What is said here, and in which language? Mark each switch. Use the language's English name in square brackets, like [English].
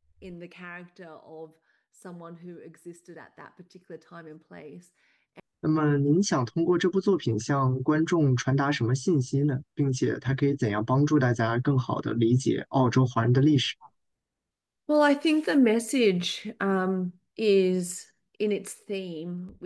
[English] in the character of someone who existed at that particular time and place. [Chinese] 那么，您想通过这部作品向观众传达什么信息呢？并且，它可以怎样帮助大家更好地理解澳洲华人的历史？ [English] Well, I think the message is in its theme,